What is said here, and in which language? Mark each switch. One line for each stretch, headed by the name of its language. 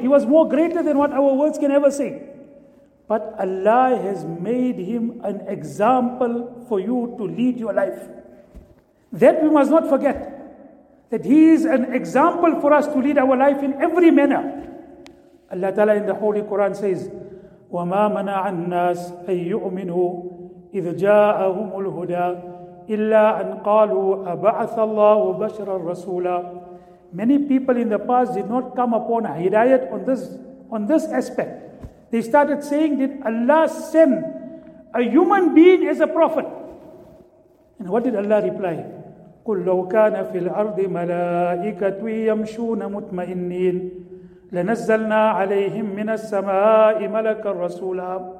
English: He was more greater than what our words can ever say. But Allah has made him an example for you to lead your life. That we must not forget. That he is an example for us to lead our life in every manner. Allah Ta'ala in the Holy Quran says,
Arabic: وَمَا مَنَعَ النَّاسَ أَن يُؤْمِنُوا إِذْ جَاءَهُمُ الْهُدَىٰ إِلَّا أَن قَالُوا أَبَعَثَ اللَّهُ بَشْرًا رَسُولًا.
English: Many people in the past did not come upon a hidayat on this aspect. They started saying, did Allah send a human being as a prophet? And what did Allah reply?
Arabic: قُلْ لَوْ كَانَ فِي الْأَرْضِ مَلَائِكَةٌ يَمْشُونَ مُطْمَئِنِّينَ لَنَزَّلْنَا عَلَيْهِمْ مِنَ السَّمَاءِ مَلَكًا رَسُولًا.